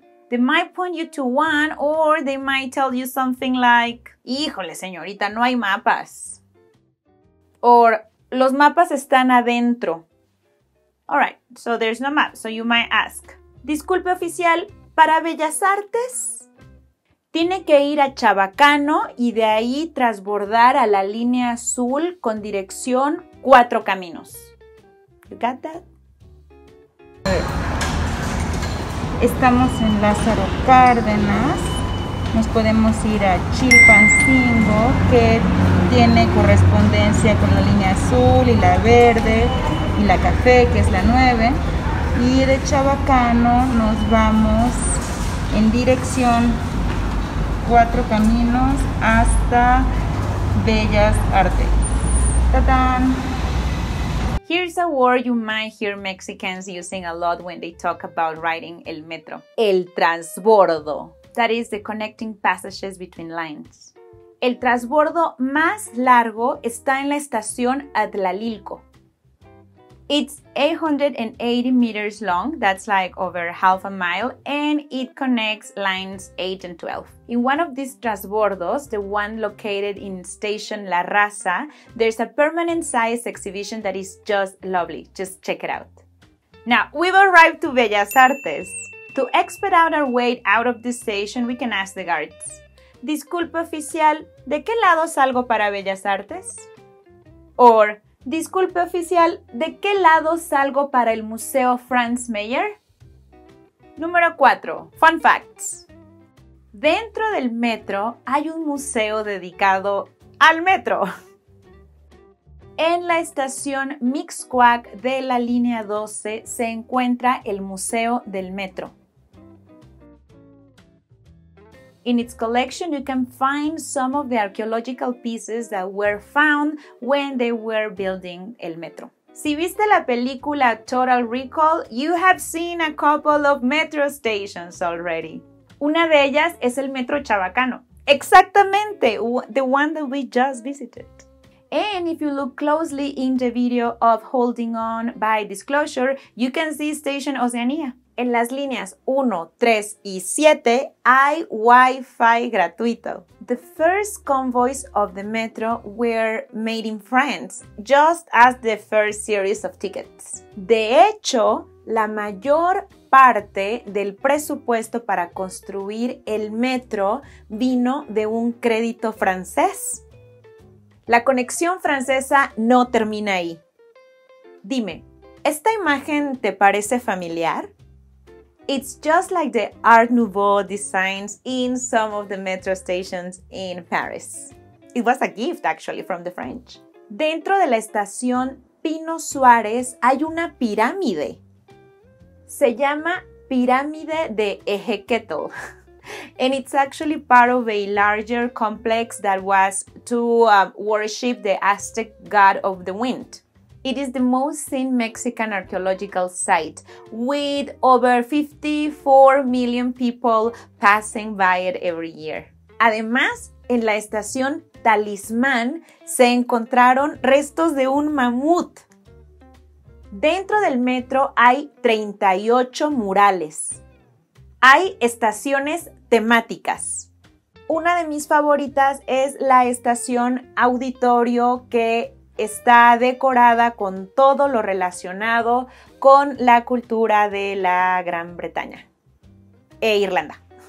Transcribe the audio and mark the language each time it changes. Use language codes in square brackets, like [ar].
[en] They might point you to one, or they might tell you something like, [es] híjole, señorita, no hay mapas. Or, los mapas están adentro. [en] Alright, so there's no map, so you might ask. [es] Disculpe, oficial, ¿para Bellas Artes? Tiene que ir a Chabacano y de ahí transbordar a la línea azul con dirección 4 caminos. [en] You got that? [es] Estamos en Lázaro Cárdenas. Nos podemos ir a Chilpancingo, que tiene correspondencia con la línea azul y la verde y la café, que es la 9. Y de Chabacano nos vamos en dirección 4 caminos hasta Bellas Artes. ¡Tadán! [en] Here's a word you might hear Mexicans using a lot when they talk about riding [es] el metro. El transbordo. [en] That is the connecting passages between lines. [es] El transbordo más largo está en la estación Atlalilco. [en] It's 880 meters long, that's like over half a mile, and it connects lines 8 and 12. In one of these transbordos, the one located in station La Raza, there's a permanent size exhibition that is just lovely. Just check it out. Now, we've arrived to Bellas Artes. To expedite our way out of this station, we can ask the guards. [es] Disculpe, oficial, ¿de qué lado salgo para Bellas Artes? Or, disculpe, oficial, ¿de qué lado salgo para el Museo Franz Mayer? Número 4. [en] Fun facts. [es] Dentro del metro hay un museo dedicado al metro. En la estación Mixcoac de la línea 12 se encuentra el Museo del Metro. [en] In its collection, you can find some of the archaeological pieces that were found when they were building [es] el metro. Si viste la película [en] Total Recall, you have seen a couple of metro stations already. [es] Una de ellas es el Metro Chabacano. Exactamente, [en] the one that we just visited. And if you look closely in the video of Holding On by Disclosure, you can see Station Oceanía. [es] En las líneas 1, 3 y 7 hay Wi-Fi gratuito. [en] The first convoys of the metro were made in France, just as the first series of tickets. [es] De hecho, la mayor parte del presupuesto para construir el metro vino de un crédito francés. La conexión francesa no termina ahí. Dime, ¿esta imagen te parece familiar? [en] It's just like the Art Nouveau designs in some of the metro stations in Paris. It was a gift, actually, from the French. [es] Dentro de la estación Pino Suárez hay una pirámide. se llama pirámide de Ejeketl. [en] And it's actually part of a larger complex that was to worship the Aztec god of the wind. It is the most seen Mexican archaeological site, with over 54 million people passing by it every year. [es] Además, en la estación Talismán se encontraron restos de un mamut. Dentro del metro hay 38 murales. Hay estaciones temáticas. Una de mis favoritas es la estación Auditorio, que está decorada con todo lo relacionado con la cultura de la Gran Bretaña e Irlanda.